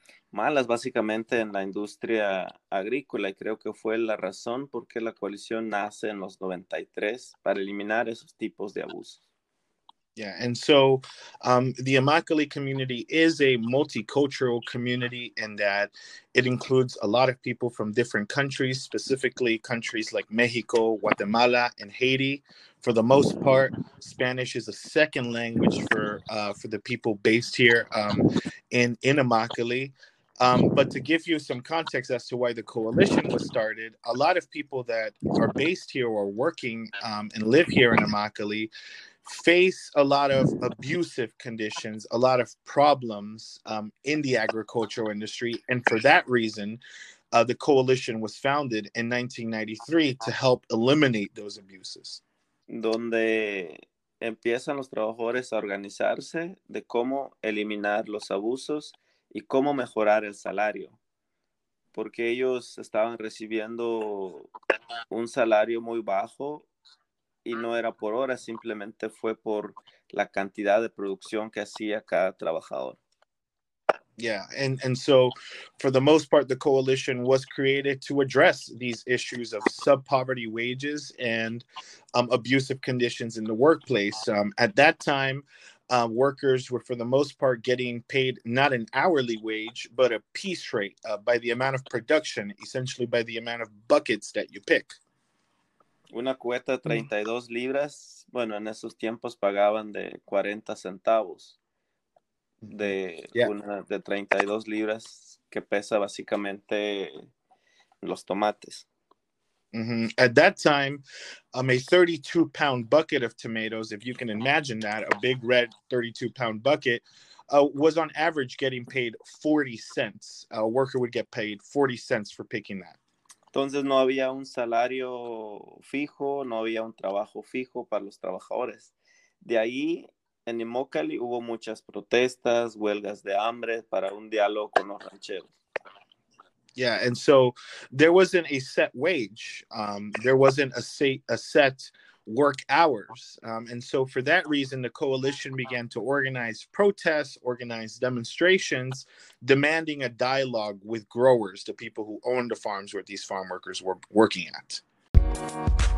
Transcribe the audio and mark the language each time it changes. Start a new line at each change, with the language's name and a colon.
Spanish: malas básicamente en la industria agrícola, y creo que fue la razón por qué la coalición nace en los 93 para eliminar esos tipos de abusos.
English: Yeah, and so the Imokalee community is a multicultural community in that it includes a lot of people from different countries, specifically countries like Mexico, Guatemala, and Haiti. For the most part, Spanish is a second language for the people based here in Imokalee. But to give you some context as to why the coalition was started, a lot of people that are based here or working and live here in Imokalee face a lot of abusive conditions, a lot of problems in the agricultural industry. And for that reason, the coalition was founded in 1993 to help eliminate those abuses.
Spanish: Donde empiezan los trabajadores a organizarse de cómo eliminar los abusos y cómo mejorar el salario. Porque ellos estaban recibiendo un salario muy bajo, y no era por hora, simplemente fue por la cantidad de producción que hacía cada trabajador.
English: Yeah, and so for the most part, the coalition was created to address these issues of sub-poverty wages and abusive conditions in the workplace. At that time, workers were for the most part getting paid not an hourly wage, but a piece rate by the amount of production, essentially by the amount of buckets that you pick.
Spanish: Una cubeta de 32 libras, bueno, en esos tiempos pagaban de 40 centavos de, yeah, una de 32 libras que pesa básicamente los tomates. Mm-hmm.
English: At that time, a 32-pound bucket of tomatoes, if you can imagine that, a big red 32-pound bucket, was on average getting paid 40 cents. A worker would get paid 40 cents for picking that.
Spanish: Entonces no había un salario fijo, no había un trabajo fijo para los trabajadores. De ahí, en Imokalee hubo muchas protestas, huelgas de hambre para un diálogo con los rancheros.
English: Yeah, and so there wasn't a set wage. There wasn't a set work hours. And so for that reason, the coalition began to organize protests, organize demonstrations, demanding a dialogue with growers, the people who owned the farms where these farm workers were working at.